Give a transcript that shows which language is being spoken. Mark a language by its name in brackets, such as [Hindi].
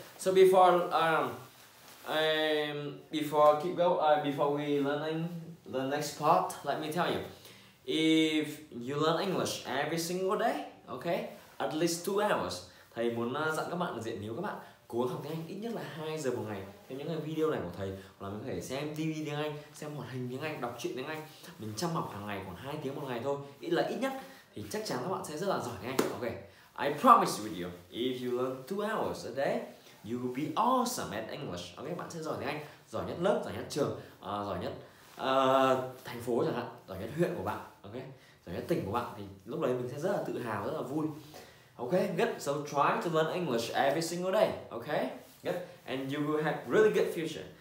[English] So before we learn the next part, let me tell you. If you learn English every single day, okay, at least 2 hours, [Vietnamese] thầy muốn dặn các bạn là diện nếu các bạn cố gắng học tiếng Anh ít nhất là 2 giờ một ngày theo những cái video này của thầy, hoặc là mình có thể xem TV tiếng Anh, xem hoạt hình tiếng Anh, đọc truyện tiếng Anh, mình chăm học hàng ngày khoảng 2 tiếng một ngày thôi, ít nhất thì chắc chắn các bạn sẽ rất là giỏi tiếng Anh. [English] Ok, I promise with you, if you learn 2 hours a day, you will be awesome at English. [Vietnamese] Ok, bạn sẽ giỏi tiếng Anh, giỏi nhất lớp, giỏi nhất trường, giỏi nhất thành phố chẳng hạn, giỏi nhất huyện của bạn, ok, giỏi nhất tỉnh của bạn, thì lúc đấy mình sẽ rất là tự hào, rất là vui. [English] Ok, good. So try to learn English every single day. Ok, good. And you will have really good future.